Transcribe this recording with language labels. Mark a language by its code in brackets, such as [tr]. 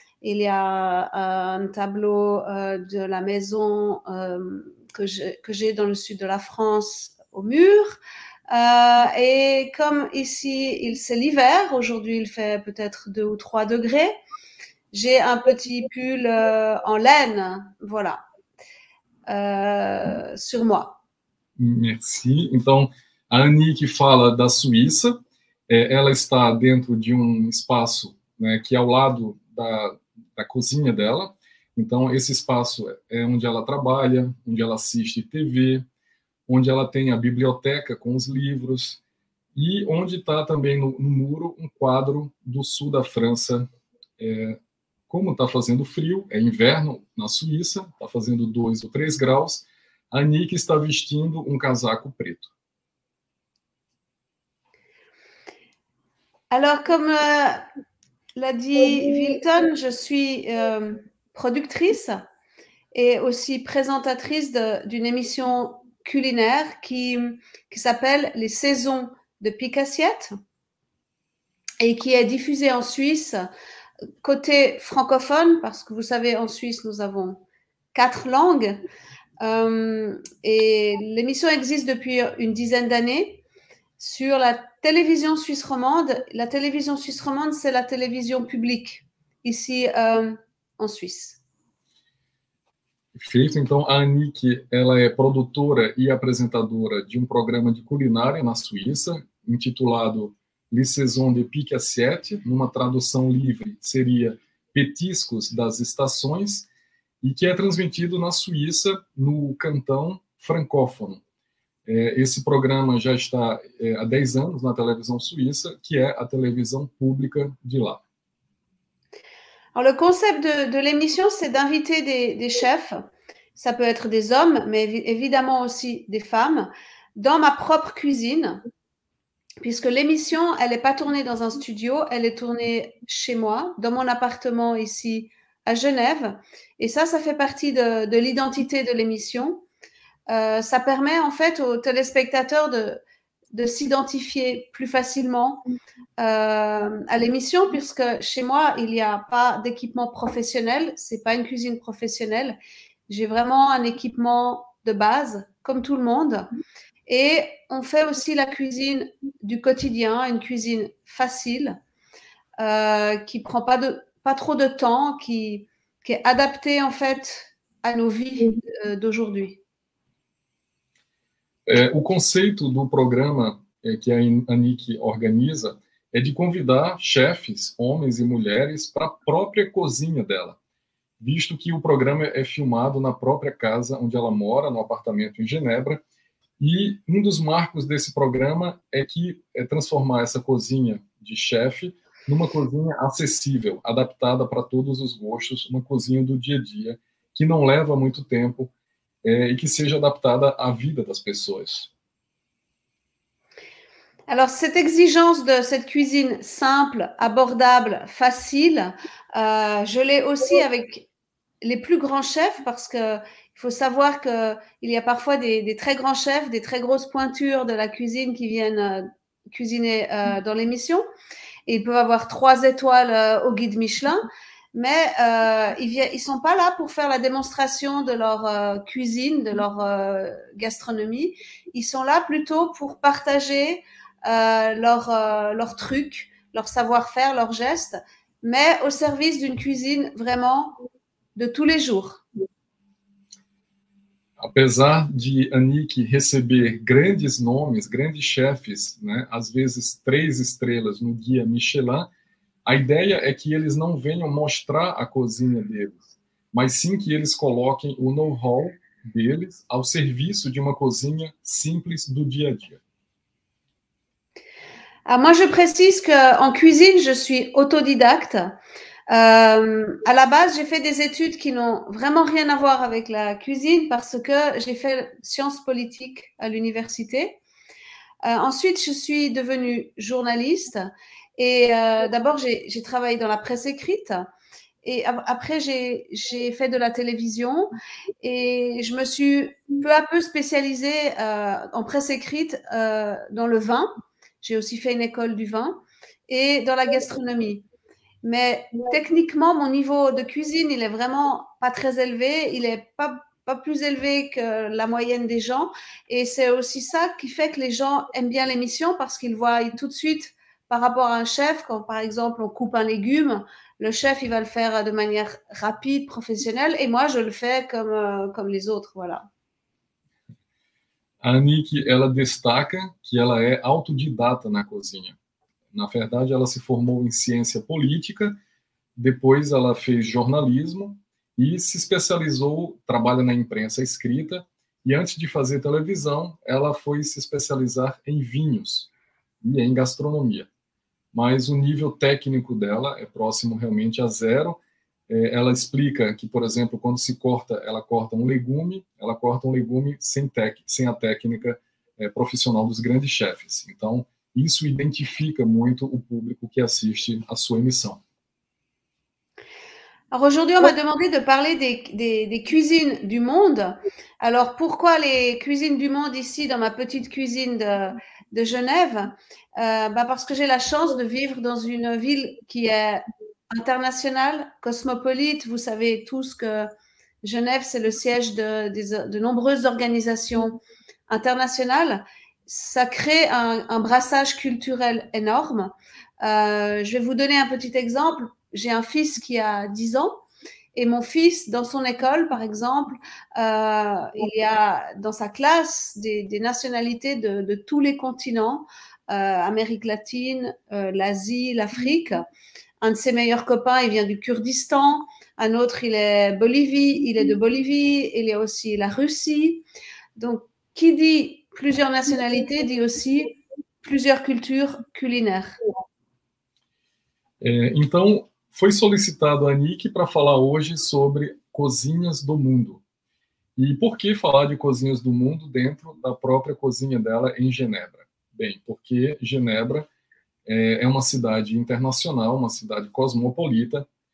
[fr] Il y a un tableau de la maison que j'ai dans le sud de la France au mur. Et comme ici, c'est l'hiver, aujourd'hui il fait peut-être 2 ou 3 degrés, j'ai un petit pull en laine, voilà, sur moi. Merci. [pt] Então, a Annick fala da Suíça. Ela está dentro de um espaço, né, que é ao lado da cozinha dela. Então, esse espaço é onde ela trabalha, onde ela assiste TV, onde ela tem a biblioteca com os livros e onde está também no muro um quadro do sul da França. Como está fazendo frio, é inverno na Suíça, está fazendo 2 ou 3 graus. A Nick está vestindo um casaco preto. [fr] Alors, comme l'a dit Wilton, je suis productrice et aussi présentatrice d'une émission culinaire qui s'appelle Les Saisons de Picassiette et qui est diffusée en Suisse côté francophone, parce que vous savez, en Suisse, nous avons 4 langues. Et l'émission existe depuis une dizaine d'années sur la télévision suisse romande. La télévision suisse romande, c'est la télévision publique ici en Suisse. [pt] Feito, então, a Annick, ela é produtora e apresentadora de programa de culinária na Suíça, intitulado Les Saisons de Pique Assiette, numa tradução livre, seria Petiscos das Estações, e que é transmitido na Suíça, no cantão francófono. Esse programa já está há 10 anos na televisão suíça, que é a televisão pública de lá. [fr] Alors, le concept de l'émission, c'est d'inviter des chefs, ça peut être des hommes, mais évidemment aussi des femmes, dans ma propre cuisine, puisque l'émission, elle n'est pas tournée dans un studio, elle est tournée chez moi, dans mon appartement ici à Genève. Et ça, ça fait partie de l'identité de l'émission. Ça permet en fait aux téléspectateurs de s'identifier plus facilement à l'émission, puisque chez moi, il n'y a pas d'équipement professionnel, ce n'est pas une cuisine professionnelle. J'ai vraiment un équipement de base, comme tout le monde. Et on fait aussi la cuisine du quotidien, une cuisine facile, qui ne prend pas trop de temps, qui est adaptée en fait à nos vies d'aujourd'hui. [pt] O conceito do programa que a Annick organiza é de convidar chefes, homens e mulheres, para a própria cozinha dela, visto que o programa é filmado na própria casa onde ela mora, no apartamento em Genebra, e um dos marcos desse programa é que é transformar essa cozinha de chefe numa cozinha acessível, adaptada para todos os gostos, uma cozinha do dia a dia, que não leva muito tempo, [fr] et qui soit adaptée à la vie des personnes. Alors, cette exigence de cette cuisine simple, abordable, facile, je l'ai aussi avec les plus grands chefs, parce qu'il faut savoir qu'il y a parfois des très grands chefs, des très grosses pointures de la cuisine qui viennent cuisiner dans l'émission. Et ils peuvent avoir 3 étoiles au guide Michelin. Mais ils sont pas là pour faire la démonstration de leur cuisine, de leur gastronomie. Ils sont là plutôt pour partager leur truc, leur savoir-faire, leur geste, mais au service d'une cuisine vraiment de tous les jours. [pt] Apesar de Annick receber grandes nomes, grandes chefs, né, às vezes 3 estrelas no guia Michelin, a ideia é que eles não venham mostrar a cozinha deles, mas sim que eles coloquem o know-how deles ao serviço de uma cozinha simples do dia a dia. [fr] Alors, moi, je précise que en cuisine, je suis autodidacte. À la base, j'ai fait des études qui n'ont vraiment rien à voir avec la cuisine parce que j'ai fait sciences politiques à l'université. Ensuite, je suis devenue journaliste. Et d'abord, j'ai travaillé dans la presse écrite et après, j'ai fait de la télévision et je me suis peu à peu spécialisée en presse écrite dans le vin. J'ai aussi fait une école du vin et dans la gastronomie. Mais techniquement, mon niveau de cuisine, il est vraiment pas très élevé. Il est pas plus élevé que la moyenne des gens. Et c'est aussi ça qui fait que les gens aiment bien l'émission parce qu'ils voient tout de suite par rapport à un chef, quand par exemple on coupe un légume, le chef il va le faire de manière rapide, professionnelle, et moi je le fais comme les autres, voilà. [pt] A Annick, ela destaca que ela é autodidata na cozinha. Na verdade, ela se formou em ciência política, depois ela fez jornalismo e se especializou, trabalha na imprensa escrita, e antes de fazer televisão, ela foi se especializar em vinhos e em gastronomia. Mas o nível técnico dela é próximo realmente a zero. Ela explica que, por exemplo, quando se corta, ela corta um legume, sem a técnica profissional dos grandes chefes. Então, isso identifica muito o público que assiste à sua emissão. [fr] Alors, aujourd'hui, on m'a demandé de parler des cuisines du monde. Alors, pourquoi les cuisines du monde ici, dans ma petite cuisine de Genève, parce que j'ai la chance de vivre dans une ville qui est internationale, cosmopolite. Vous savez tous que Genève, c'est le siège de nombreuses organisations internationales. Ça crée un brassage culturel énorme. Je vais vous donner un petit exemple. J'ai un fils qui a 10 ans. Et mon fils, dans son école, par exemple, il y a dans sa classe des nationalités de tous les continents, Amérique latine, l'Asie, l'Afrique. Un de ses meilleurs copains, il vient du Kurdistan. Un autre, il est de Bolivie. Il y a aussi la Russie. Donc, qui dit plusieurs nationalités, dit aussi plusieurs cultures culinaires. [pt] Então... Foi solicitado a Nick para falar hoje sobre cozinhas do mundo. E por que falar de cozinhas do mundo dentro da própria cozinha dela em Genebra? Bem, porque Genebra é uma cidade internacional, uma cidade cosmopolita.